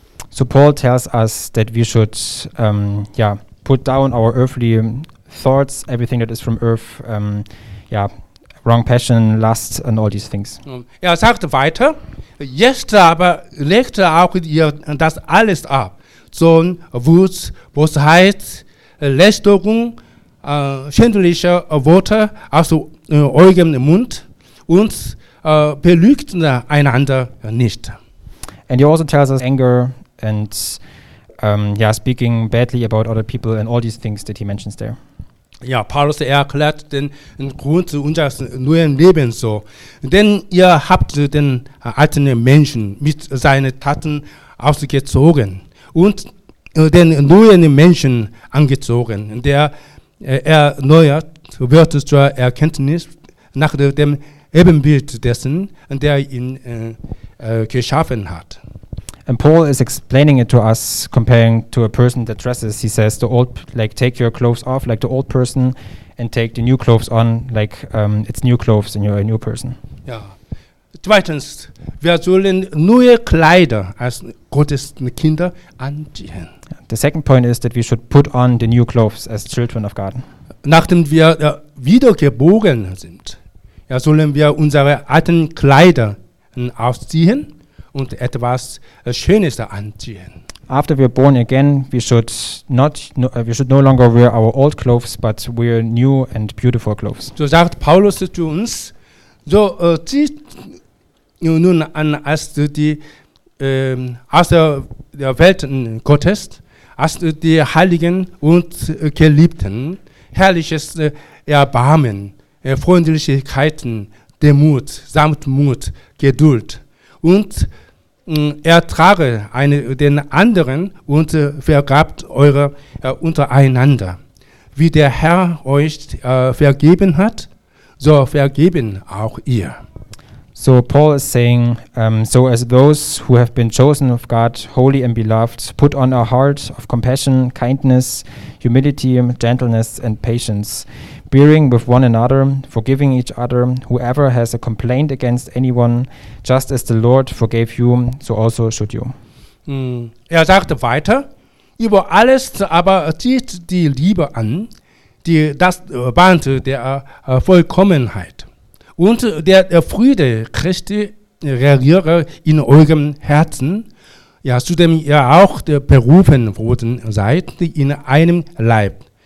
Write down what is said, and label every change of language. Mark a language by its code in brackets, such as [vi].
[en] So Paul tells us that we should put down our earthly thoughts, everything that is from earth, wrong passion, lust and all these things. [de] Sagt weiter, jetzt aber legt auch ihr das alles ab. Zorn, Wut, Bosheit, Lästerung, schändliche Worte aus eurem Mund und belügt einander nicht. [en] And he also tells us anger and speaking badly about other people and all these things that he mentions there. [de] Ja, Paulus erklärt den Grund unseres neuen Lebens so. Denn ihr habt den alten Menschen mit seinen Taten ausgezogen und den neuen Menschen angezogen, der erneuert wird zur Erkenntnis nach dem Ebenbild dessen, der ihn geschaffen hat. [en] And Paul is explaining it to us, comparing to a person that dresses. He says, "The old, take your clothes off, like the old person, and take the new clothes on, like it's new clothes and you're a new person." [de] Ja. Zweitens, wir sollen neue Kleider als Gottes Kinder anziehen. [en] The second point is that we should put on the new clothes as children of God. [de] Nachdem wir wiedergeboren sind, sollen wir unsere alten Kleider ausziehen und etwas Schönes anziehen. [en] After we are born again, we should no longer wear our old clothes, but wear new and beautiful clothes. [de] So sagt Paulus zu uns, so zieht nun an als die aus der Welt Gottes, als die Heiligen und Geliebten, herrliches Erbarmen, Freundlichkeiten, Demut, Sanftmut, Geduld und ertrage einen den anderen und vergabt eure untereinander. Wie der Herr euch vergeben hat, so vergeben auch ihr. [en] So Paul is saying, so as those who have been chosen of God, holy and beloved, put on a heart of compassion, kindness, humility, gentleness and patience, bearing with one another, forgiving each other, whoever has a complaint against anyone, just as the Lord forgave you, so also should you. [de] Sagte weiter, über alles aber zieht die Liebe an, die das Band der Vollkommenheit. Und der Friede Christi regiere in eurem Herzen, zu dem ihr auch berufen worden seid, in einem Leib.